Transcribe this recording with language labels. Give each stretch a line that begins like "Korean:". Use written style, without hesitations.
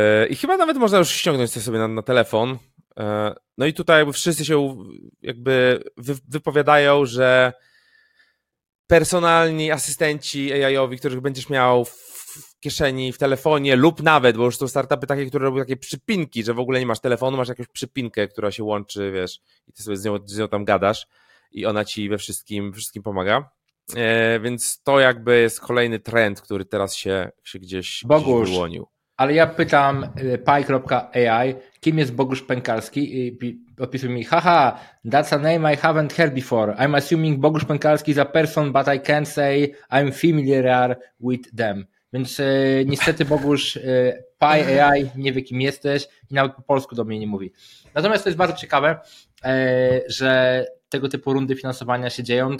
Polish: I chyba nawet można już ściągnąć to sobie na telefon. No i tutaj wszyscy się jakby wypowiadają, że personalni asystenci AI-owi, których będziesz miał w kieszeni, w telefonie lub nawet, bo już są startupy takie, które robią takie przypinki, że w ogóle nie masz telefonu, masz jakąś przypinkę, która się łączy, wiesz, i ty sobie z nią tam gadasz i ona ci we wszystkim pomaga. Więc to jakby jest kolejny trend, który teraz się gdzieś wyłonił. Ale ja pytam pi.ai, kim jest Bogusz Pękalski? I odpisuj mi,
English: haha, that's a name I haven't heard before. I'm assuming Bogusz Pękalski is a person, but I can't say I'm familiar with them.
Polish: Więc niestety Bogusz pi.ai nie wie, kim jesteś i nawet po polsku do mnie nie mówi. Natomiast to jest bardzo ciekawe, że tego typu rundy finansowania się dzieją.